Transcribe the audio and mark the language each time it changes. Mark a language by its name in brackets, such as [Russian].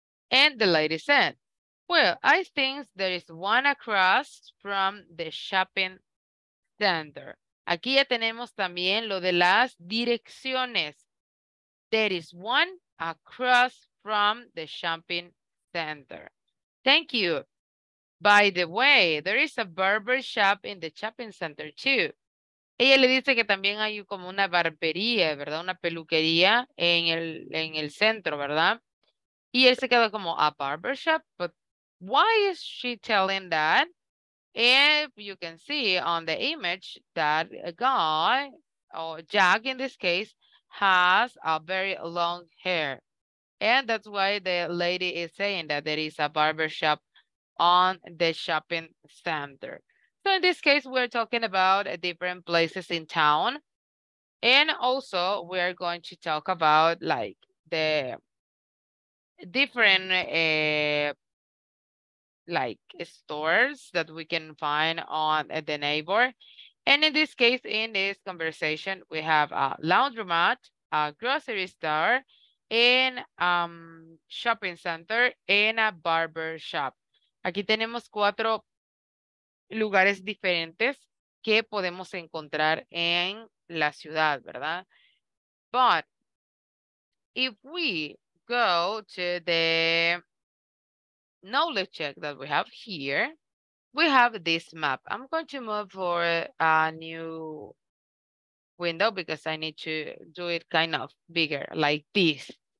[English] And the lady said, well, I think there is one across from the shopping center. [Spanish] Aquí ya tenemos también lo de las direcciones. [English] There is one across from the shopping center. Thank you. By the way, there is a barber shop in the shopping center too. [Spanish] Ella le dice que también hay como una barbería, ¿verdad? Una peluquería en el centro, ¿verdad? Y él se queda como [English] a barber shop. But why is she telling that? If you can see on the image that a guy, or Jack in this case, has a very long hair. And that's why the lady is saying that there is a barbershop on the shopping center. So in this case, we're talking about different places in town. And also we're going to talk about like the different like stores that we can find on the neighbor. And in this case, in this conversation, we have a laundromat, a grocery store, and shopping center, and a barber shop. [Spanish] Aquí tenemos cuatro lugares diferentes que podemos encontrar en la ciudad, ¿verdad? [English] But if we go to the knowledge check that we have here, we have this map. I'm going to move for a new window because I need to do it kind of bigger, like this.